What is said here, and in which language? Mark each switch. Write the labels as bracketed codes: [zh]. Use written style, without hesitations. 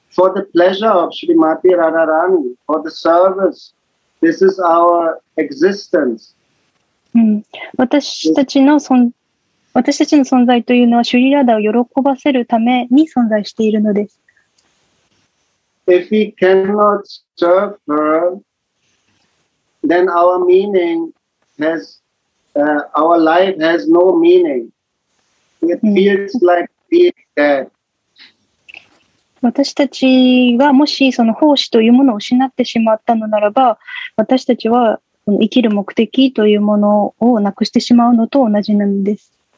[en] For the pleasure of Srimati Radharani, for the service, this is our existence. [ja] 私たちの存在というのはシュリラダを喜ばせるために存在しているのです。 [en] If we cannot serve her, then our meaning has, our life has no meaning. It feels like being dead. [ja] 私たちがもしその奉仕というものを失ってしまったのならば、私たちは生きる目的というものをなくしてしまうのと同じなんです。